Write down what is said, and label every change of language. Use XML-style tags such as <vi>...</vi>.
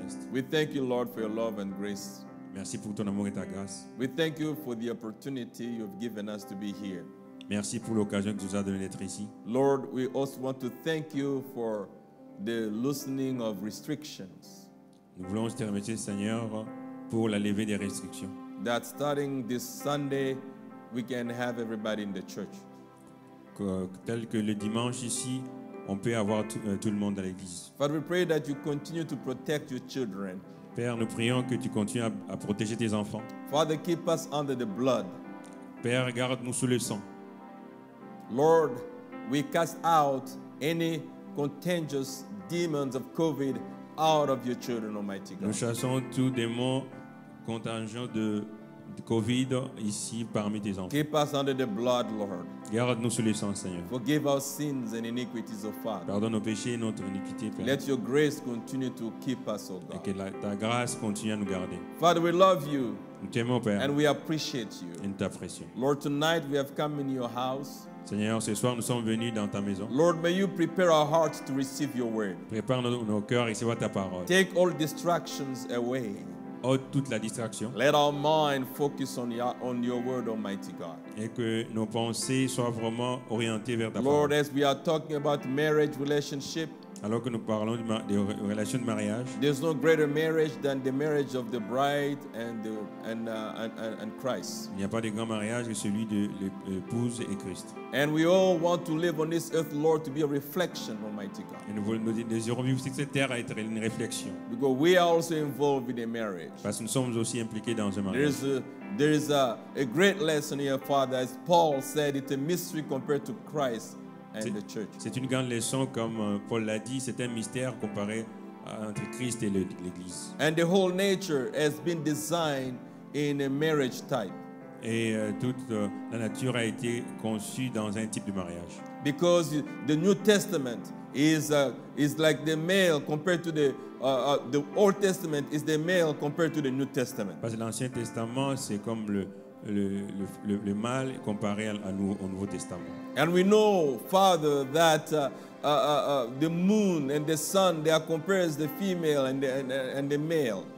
<en>We thank you, Lord, for your love and grace.</en> <fr>Merci pour ton amour et ta grâce.</fr> <en>We thank you for the opportunity you've given us to be here.</en> <fr>Merci pour l'occasion que tu nous as donné d'être ici.</fr> <en>Lord, we also want to thank you for the loosening of restrictions.</en> <fr>Nous voulons te remercier, Seigneur, pour la levée des restrictions.</fr> <en>That starting this Sunday, we can have everybody in the church.</en> <fr>Tel que le dimanche ici, on peut avoir tout le monde à l'église.</fr> <en>Father, we pray that you continue to protect your children.</en> <fr>Père, nous prions que tu continues à protéger tes enfants.</fr> <en>Father, keep us under the blood.</en> <fr>Père, garde-nous sous le sang.</fr> <en>Lord, we cast out any contagious demons of COVID out of your children, Almighty God.</en> <fr>Nous chassons tout démon contagieux de COVID ici parmi tes enfants.</fr> <en>Keep us under the blood, Lord.</en> <fr>Garde-nous sous le sang, Seigneur.</fr> <en>Forgive our sins and iniquities, O Father.</en> <fr>Pardonne nos péchés et notre iniquité, Père.</fr> <en>Let your grace continue to keep us, O God.</en> <fr>Et que ta grâce continue à nous garder.</fr> <en>Father, we love you. And we appreciate you. Lord, tonight we have come in your house.</en> <fr>Seigneur, ce soir nous sommes venus dans ta maison.</fr> <en>Lord, may you prepare our hearts to receive your word.</en> <fr>Prépare nos cœurs à recevoir ta parole.</fr> <en>Take all distractions away.</en> <fr>Ôte toute la distraction.</fr> <en>Let our mind focus on your word, Almighty God.</en> <fr>Et que nos pensées soient vraiment orientées vers ta</fr> <en>Lord, Lord, as we are talking about marriage relationship.</en> <fr>Alors que nous parlons des relations de mariage.</fr> <en>There's no greater marriage than the marriage of the bride and Christ.</en> <fr>Il n'y a pas de grand mariage que celui de l'épouse et Christ.</fr> <en>And we all want to live on this earth, Lord, to be a reflection, Almighty God.</en> <fr>Et nous désirons vivre sur cette terre à être une réflexion.</fr> <en>Because we are also involved in a marriage.</en> <fr>Parce que nous sommes aussi impliqués dans un mariage.</fr> <en>There is a great lesson here, Father, as Paul said, it's a mystery compared to Christ.</en> <fr>C'est une grande leçon, comme Paul l'a dit, c'est un mystère comparé entre Christ et l'Église.</fr> <en>And the whole nature has been designed in a marriage type.</en> <fr>Et toute la nature a été conçue dans un type de mariage.</fr> <en>Because the New Testament is like the male compared to the Old Testament is the male compared to the New Testament.</en> <fr>Parce que l'Ancien Testament c'est comme le mal comparé au Nouveau Testament.</fr> <en>And we know, Father, that the moon and the sun, they are compared as the female and the male.</en>